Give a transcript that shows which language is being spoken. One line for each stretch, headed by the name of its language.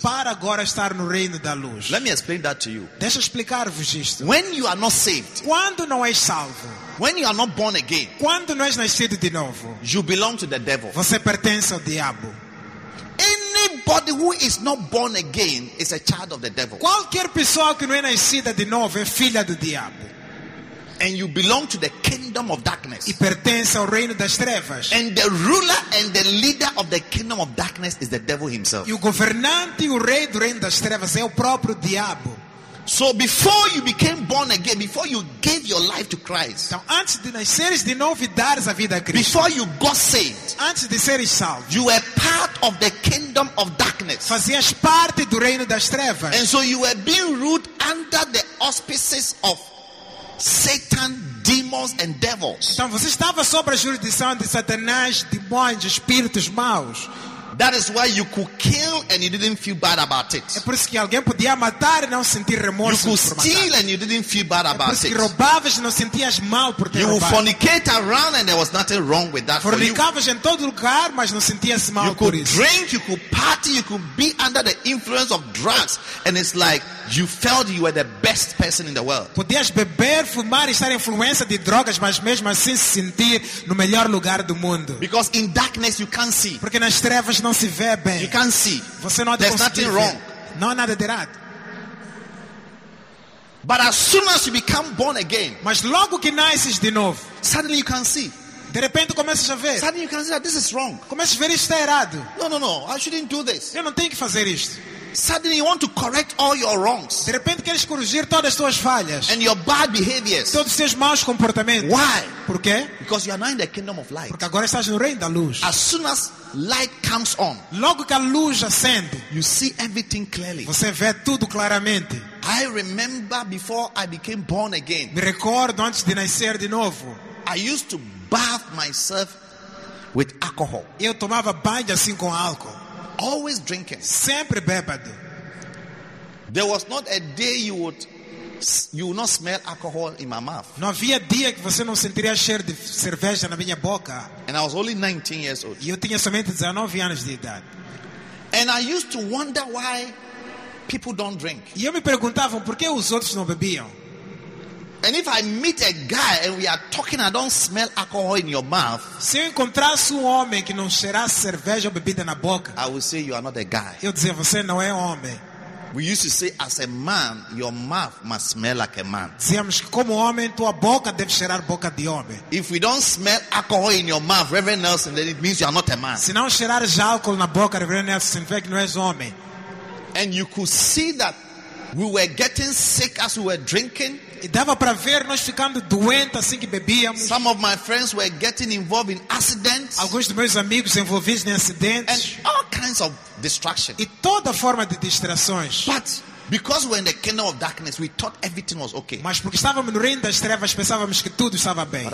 Portuguese: Para agora estar no reino da luz.
English: Let me explain that to you.
Portuguese: Deixa explicar-vos isto.
English: When you are not saved.
Portuguese: Quando não és salvo.
English: When you are not born again.
Portuguese: Quando não és nascido de novo.
English: You belong to the devil.
Portuguese: Você pertence ao diabo.
English: Anybody who is not born again is a child of the devil.
Portuguese: Qualquer pessoa que não é nascida de novo é filha do diabo.
English: And you belong to the kingdom of darkness.
Portuguese: E pertence ao reino das trevas.
English: And the ruler and the leader of the kingdom of darkness is the devil himself.
Portuguese: E o governante e o rei do reino das trevas é o próprio diabo.
English: So before you became born again, before you gave your life to Christ.
Portuguese: Então, antes de nasceres de novo e dares a vida a Cristo.
English: Before you got saved.
Portuguese: Antes de seres salvo.
English: You were part of the kingdom of darkness.
Portuguese: Fazias parte do reino das trevas.
English: And so you were being ruled under the auspices of Satan, demons. demons and devils.
Portuguese: Então você estava sob a jurisdição de Satanás, demônios, espíritos maus.
English: That is why you could kill and you didn't feel bad about it.
Portuguese: É por isso que alguém podia matar e não sentir remorso.
English: You could steal and you didn't feel bad about
Portuguese: it. É por isso que roubavas e não sentias mal por ter roubado.
English: You would fornicate around and there was nothing wrong with that for you.
Portuguese: Fornicavas em todo lugar, mas não sentias mal por isso.
English: You could drink, you could party, you could be under the influence of drugs and it's like you felt you were the best person in the world.
Portuguese: Podias beber, fumar e estar em influência de drogas, mas mesmo assim se sentir no melhor lugar do mundo.
English: Because in darkness you can't see.
Portuguese: Porque nas trevas não se vê bem.
English: You can't see.
Portuguese: Você não
English: There's nothing
Portuguese: ver.
English: Wrong.
Portuguese: Não há nada de errado.
English: But as soon as you become born again,
Portuguese: mas logo que nasces de novo,
English: suddenly you can see.
Portuguese: De repente começas a ver.
English: Suddenly you can see that this is wrong.
Portuguese: Começas a ver isto é errado.
English: No. I shouldn't do this.
Portuguese: Eu não tenho que fazer isto.
English: Suddenly you want to correct all your wrongs.
Portuguese: De repente queres corrigir todas as tuas falhas.
English: And your bad behaviors.
Portuguese: Todos os teus maus comportamentos.
English: Why?
Portuguese: Por quê?
English: Because you are now in the kingdom of light.
Portuguese: Porque agora estás no reino da luz.
English: As soon as light comes on,
Portuguese: logo que a luz acende,
English: you see everything clearly.
Portuguese: Você vê tudo claramente.
English: I remember before I became born again.
Portuguese: Me recordo antes de nascer de novo.
English: I used to bathe myself with alcohol.
Portuguese: Eu tomava banho assim com álcool.
English: Always drinking.
Portuguese: Sempre bêbado.
English: There was not a day you would not smell alcohol in my mouth.
Portuguese: Não havia dia que você não sentiria cheiro de cerveja na minha boca.
English: And I was only 19 years old.
Portuguese: E eu tinha somente 19 anos de idade.
English: And I used to wonder why people don't drink.
Portuguese: E eu me perguntava por que os outros não bebiam.
English: And if I meet a guy and we are talking, I don't smell alcohol in your mouth.
Portuguese: Se eu encontrasse homem que não cheirasse cerveja ou bebida na boca,
English: I would say you are not a guy.
Portuguese: Eu dizia você não é homem.
English: We used to say, as a man, your mouth must smell like a man.
Portuguese: Dizíamos que como homem, tua boca deve cheirar boca de homem.
English: If we don't smell alcohol in your mouth, Reverend Nelson, then it means you are not a man.
Portuguese: Se não cheirar já álcool na boca, Reverend Nelson, significa que não és homem.
English: And you could see that we were getting sick as we were drinking.
Portuguese: E dava para ver nós ficando doentes assim que bebíamos.
English: Some of my friends were getting involved in accidents.
Portuguese: Alguns dos meus amigos envolvidos em acidentes.
English: And all kinds of distraction.
Portuguese: E toda forma de distrações.
English: But because we're in the kingdom of darkness, we thought everything was okay.
Portuguese: Mas porque estávamos no reino das trevas, pensávamos que tudo estava bem.